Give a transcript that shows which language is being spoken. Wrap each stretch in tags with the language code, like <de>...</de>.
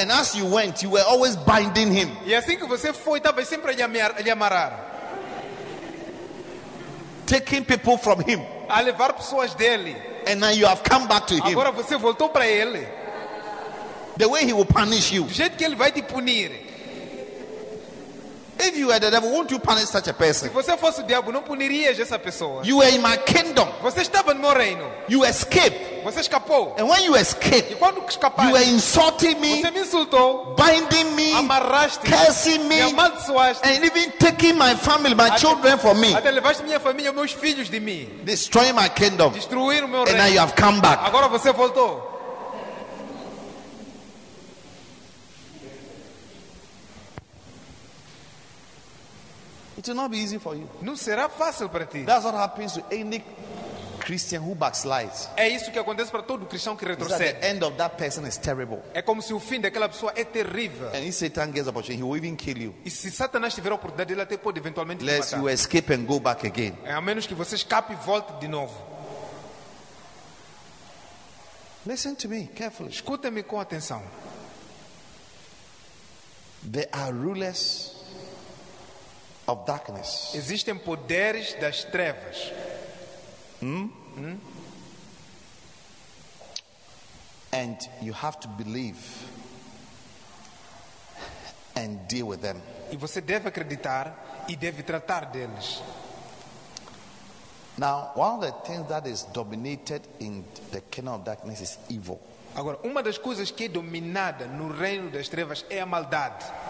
<en>And as you went, you were always binding him.</en> <pt>E assim que você foi, estava sempre a lhe amarrar.</pt> <en>Taking people from him.</en> <pt>A levar pessoas dele.</pt> <en>And now you have come back to him.</en> <pt>Agora você voltou para ele.</pt> <en>The way he will punish you.</en> <pt>Do jeito que ele vai te punir.</pt> <en>If you were the devil, won't you punish such a person?</en> <pt>Se você fosse o diabo, não punirias essa pessoa.</pt> <en>You were in my kingdom.</en> <pt>Você estava no meu reino.</pt> <en>You escaped.</en> <pt>Você escapou.</pt> <en>And when you escaped,</en> <pt>e quando escapaste,</pt> <en>you were insulting me.</en> <pt>Você me insultou.</pt> <en>Binding me.</en> <pt>Amarraste.</pt> <en>Cursing me.</en> <pt>Me amaldiçoaste.</pt> <en>And even taking my family, my children from me.</en> <pt>Até levaste minha família e meus filhos de mim.</pt> <en>Destroying my kingdom.</en> <pt>Destruir o meu reino.</pt> <en>And now you have come back.</en> <pt>Agora você voltou.</pt> <en>It will not be easy for you.</en> <pt>Não será fácil para ti.</pt> <en>That's what happens to any Christian who backslides.</en> <pt>É isso que acontece para todo cristão que retrocede.</pt> <en>It's like the end of that person is terrible.</en> <pt>É como se o fim daquela pessoa é terrível.</pt> <en>And if Satan gets opportunity, he will even kill you.</en> <pt>E se Satanás tiver a oportunidade, ele até pode eventualmente</pt> <en>lest</en> <pt>te matar.</pt> <en>You escape and go back again.</en> <pt>É a menos que você escape e volte de novo.</pt> <en>Listen to me carefully.</en> <pt>Escuta-me com atenção.</pt> <en>There are rulers of darkness.</en> <pt>Existem poderes das trevas.</pt> <en>And you have to believe and deal with them.</en> <pt>E você deve acreditar e deve tratar deles.</pt> <en>Now, one of the things that is dominated in the kingdom of darkness is evil.</en> <pt>Agora, uma das coisas que é dominada no reino das trevas é a maldade.</pt>